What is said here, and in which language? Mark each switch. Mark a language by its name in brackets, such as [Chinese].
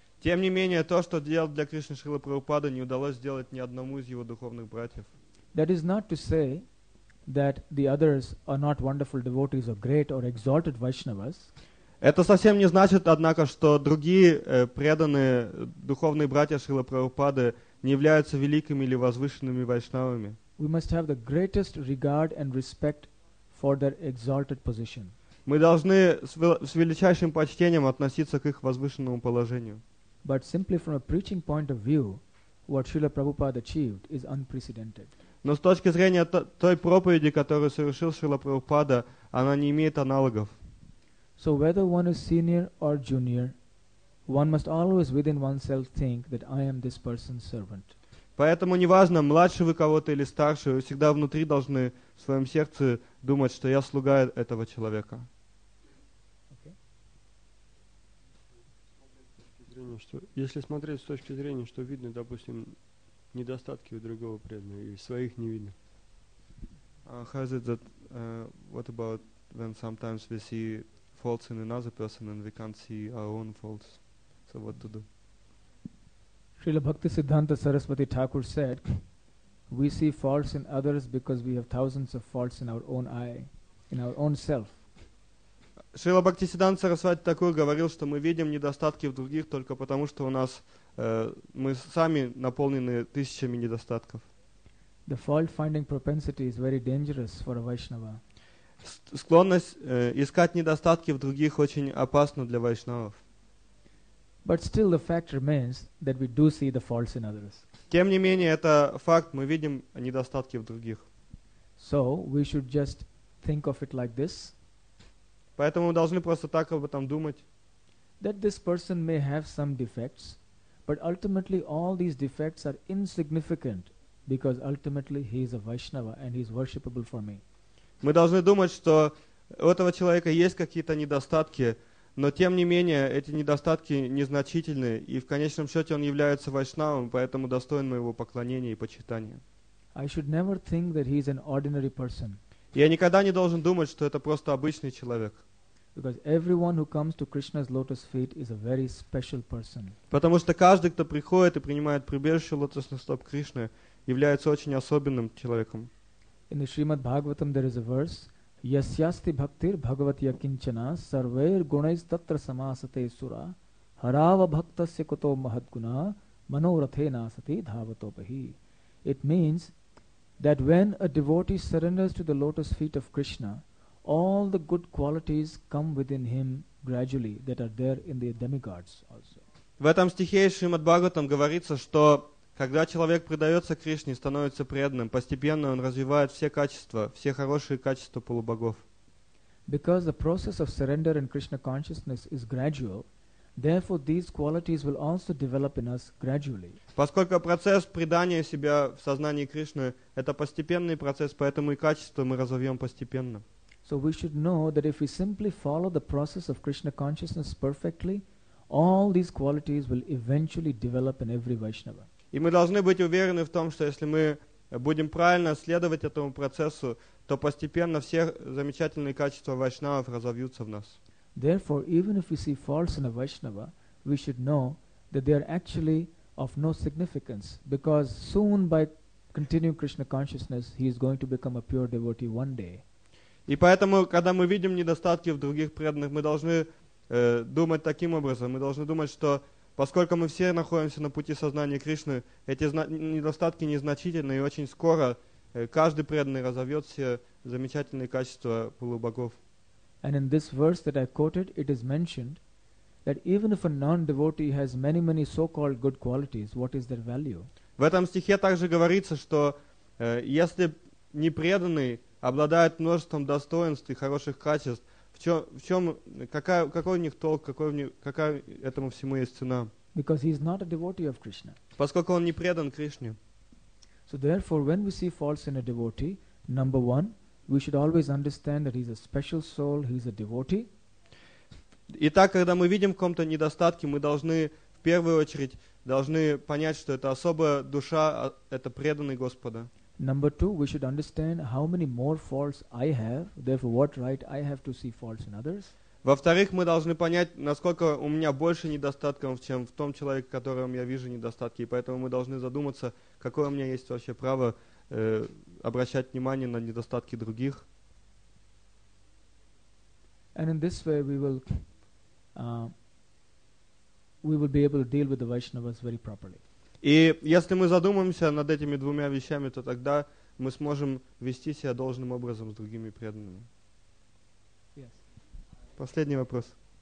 [Russian] Тем не менее, то, что делал для Кришны Шрила Прабхупада, не удалось сделать ни одному из его духовных братьев. [English] That is not to say that the others are not wonderful devotees or great or exalted Vaishnavas. [Russian] Это совсем не значит, однако, что другие преданные духовные братья Шрила Прабхупады не являются великими или возвышенными вайшнавами. [English] We must have the greatest regard and respect for their exalted position. [Russian] Мы должны с величайшим почтением относиться к их возвышенному положению. [English] But simply from a preaching point of view, what Srila Prabhupada achieved is unprecedented. [Russian] Но с точки зрения той проповеди, которую совершил Шрила Прабхупада, она не имеет аналогов. [English] So whether one is senior or junior, one must always within oneself think that I am this person's servant. [Russian] Поэтому неважно, младше вы кого-то или старше, вы всегда внутри должны в своем сердце думать, что я слуга этого человека. [English] Okay. [Russian] Если смотреть с точки зрения, что видно, допустим, недостатки у другого преданного, и своих не видно. [English] How is it that, what about when sometimes we see faults in another person and we can't see our own faults? So what to do? Srila Bhakti Siddhanta Saraswati Thakur said, we see faults in others because we have thousands of faults in our own eye, in our own self. [Russian] Srila Bhakti Siddhanta Saraswati Thakur говорил, что мы видим недостатки в других только потому, что у нас, мы сами наполнены тысячами недостатков. [English] The fault-finding propensity is very dangerous for a Vaishnava. [Russian] Склонность искать недостатки в других очень опасна для вайшнавов. [English] But still the fact remains that we do see the faults in others. [Russian] Тем не менее, это факт, мы видим недостатки в других. [English] So we should just think of it like this. [Russian] Поэтому мы должны просто так об этом думать. [English] That this person may have some defects, but ultimately all these defects are insignificant because ultimately he is a Vaishnava and he is worshipable for me. [Russian] Мы должны думать, что у этого человека есть какие-то недостатки, но тем не менее, эти недостатки незначительны, и в конечном счете он является вайшнавом, поэтому достоин моего поклонения и почитания. [English] I should never think that he is an ordinary person. [Russian] Я никогда не должен думать, что это просто обычный человек. [English] Because everyone who comes to Krishna's lotus feet is a very special person. [Russian] Потому что каждый, кто приходит и принимает прибежище лотосных стоп Кришны, является очень особенным человеком. [English] In the Srimad Bhagavatam there is a verse. [Sanskrit] Yasyasti bhaktir bhagavatya kinchana sarveir gunais tatra samasate sura harava bhaktasya kuto mahat guna Manorathe nasati dhavatopahi. [English] It means that when a devotee surrenders to the lotus feet of Krishna, all the good qualities come within him gradually that are there in the demigods also. [Russian] В этом стихе Шримад Бхагаватам говорится, что когда человек предается Кришне и становится преданным, постепенно он развивает все качества, все хорошие качества полубогов. [English] Because the process of surrender in Krishna consciousness is gradual, therefore these qualities will also develop in us gradually. [Russian] Поскольку процесс предания себя в сознании Кришны – это постепенный процесс, поэтому и качества мы развиваем постепенно. [English] So we should know that if we simply follow the process of Krishna consciousness perfectly, all these qualities will eventually develop in every Vaishnava. [Russian] И мы должны быть уверены в том, что если мы будем правильно следовать этому процессу, то постепенно все замечательные качества вайшнавов разовьются в нас. [English] Therefore, even if we see faults in a Vaishnava, we should know that they are actually of no significance, because soon by continuing Krishna consciousness, he is going to become a pure devotee one day. [Russian] И поэтому, когда мы видим недостатки в других преданных, мы должны думать таким образом. Мы должны думать, что поскольку мы все находимся на пути сознания Кришны, эти недостатки незначительны, и очень скоро каждый преданный разовьет все замечательные качества полубогов. [English] And in this verse that I quoted, it is mentioned that even if a non-devotee has many so-called good qualities, what is their value? [Russian] В этом стихе также говорится, что если непреданный обладает множеством достоинств и хороших качеств, какой у них толк, какая этому всему есть цена? [English] Because he is not a devotee of Krishna. [Russian] Поскольку он не предан Кришне. [English] So therefore, when we see faults in a devotee, number one, we should always understand that he is a special soul, he is a devotee. [Russian] Итак, когда мы видим в ком-то недостатки, мы должны в первую очередь должны понять, что это особая душа, это преданный Господа. [English] Number two, we should understand how many more faults I have, therefore what right I have to see faults in others. [Russian] Во-вторых, мы должны понять, насколько у меня больше недостатков, чем в том человеке, которым я вижу недостатки, и поэтому мы должны задуматься, какое у меня есть вообще право обращать внимание на недостатки других. [English] And in this way we will be able to deal with the Vaishnavas very properly. [Russian] И если мы задумаемся над этими двумя вещами, то тогда мы сможем вести себя должным образом с другими преданными. [English] Yes. [Russian] Последний вопрос.